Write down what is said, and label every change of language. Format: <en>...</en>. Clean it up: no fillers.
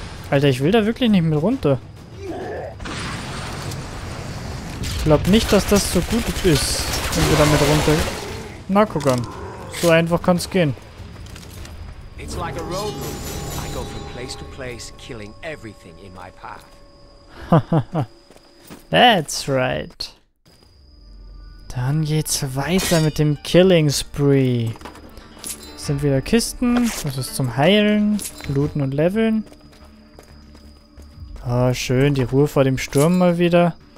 <de>Alter, ich will da wirklich nicht mit runter. Ich glaube nicht, dass das so gut ist, wenn wir da mit runter... Na, guck an. So einfach kann es gehen.</de> <en>It's like a road move. I go from place to place, killing everything in my path. That's right.</en> <de>Dann geht's weiter mit dem Killing Spree. Sind wieder Kisten. Das ist zum Heilen, Looten und Leveln. Ah, schön, die Ruhe vor dem Sturm mal wieder.</de>